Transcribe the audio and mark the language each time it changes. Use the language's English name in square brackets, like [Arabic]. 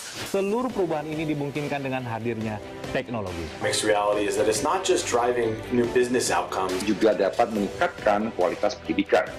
[Indonesian] Seluruh perubahan ini dimungkinkan dengan hadirnya teknologi. [English] Mixed reality is that it's not just driving new business outcomes. [Indonesian] Juga dapat meningkatkan kualitas pendidikan.